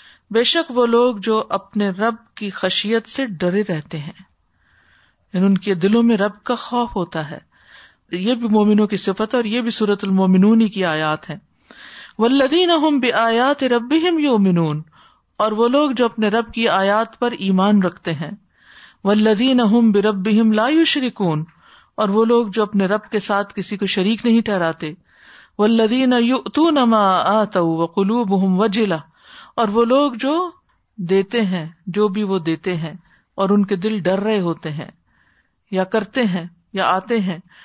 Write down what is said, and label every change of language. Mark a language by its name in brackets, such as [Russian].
[Urdu] بے شک وہ لوگ جو اپنے رب کی خشیت سے ڈرے رہتے ہیں, ان کے دلوں میں رب کا خوف ہوتا ہے. یہ بھی مومنوں کی صفت ہے, اور یہ بھی سورۃ المومنون کی آیات ہیں. [Arabic] والذین هم بآیات ربهم یؤمنون. [Urdu] اور وہ لوگ جو اپنے رب کی آیات پر ایمان رکھتے ہیں. [Arabic] والذین هم بربهم لا یشرکون. [Urdu] اور وہ لوگ جو اپنے رب کے ساتھ کسی کو شریک نہیں ٹھہراتے. [Arabic] والذین یؤتون ما آتوا وقلوبهم وجلہ. [Urdu] اور وہ لوگ جو دیتے ہیں, جو بھی وہ دیتے ہیں, اور ان کے دل ڈر رہے ہوتے ہیں یا کرتے ہیں یا آتے ہیں.